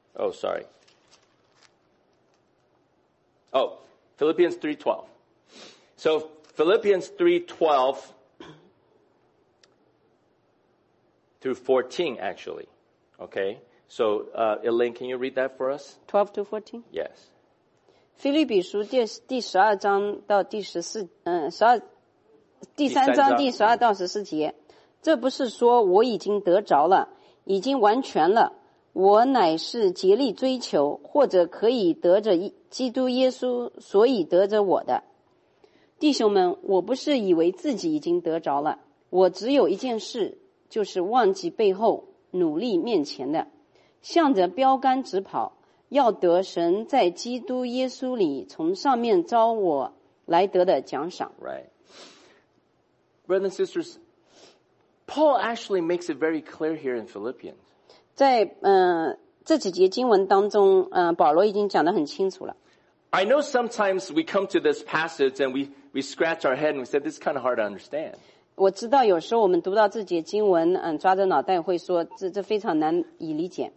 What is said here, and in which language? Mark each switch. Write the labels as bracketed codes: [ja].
[en] Oh, sorry. Oh, Philippians 3:12. So Philippians 3:12 through 14, actually. Okay. So, Elaine, can you read that for us? 12 to 14? Yes. [zh] 腓立比书第三章第十二到十四节，这不是说我已经得着了，已经完全了，我乃是竭力追求，或者可以得着基督耶稣，所以得着我的。弟兄们，我不是以为自己已经得着了，我只有一件事，就是忘记背后，努力面前的，向着标杆直跑，要得神在基督耶稣里从上面召我来得的奖赏。 [en] Right. Brothers and sisters, Paul actually makes it very clear here in Philippians. [zh] 在这几节经文当中，保罗已经讲得很清楚了。 [en] I know sometimes we come to this passage and we scratch our head and we say this is kind of hard to understand. [zh] 我知道有时候我们读到这节经文，抓着脑袋会说这非常难以理解。